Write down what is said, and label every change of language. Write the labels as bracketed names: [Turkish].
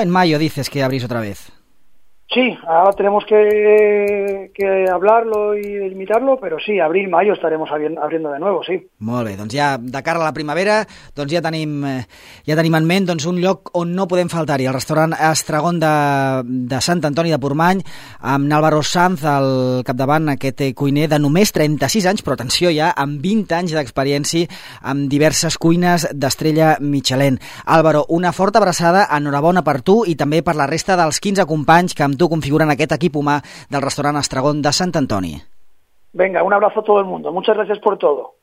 [Spanish] En mayo dices que abrís otra vez. Sí, ahora tenemos que hablarlo y limitarlo, pero sí, abril, mayo estaremos abriendo de nuevo, sí. [Catalan] Molt bé, doncs ja de cara a la primavera, doncs ja tenim en ment doncs un lloc on no podem faltar-hi, el restaurant Estragón de Sant Antoni de Portmany, amb Álvaro Sanz al capdavant, aquest cuiner de només 36 anys, però atenció ja, amb 20 anys d'experiència amb diverses cuines d'estrella Michelin. Álvaro, una forta abraçada, enhorabona per tu i també per la resta dels 15 companys que amb tu configuren aquest equip humà del restaurant Estragón de Sant Antoni. [Spanish] Venga, un abrazo a todo el mundo. Muchas gracias por todo.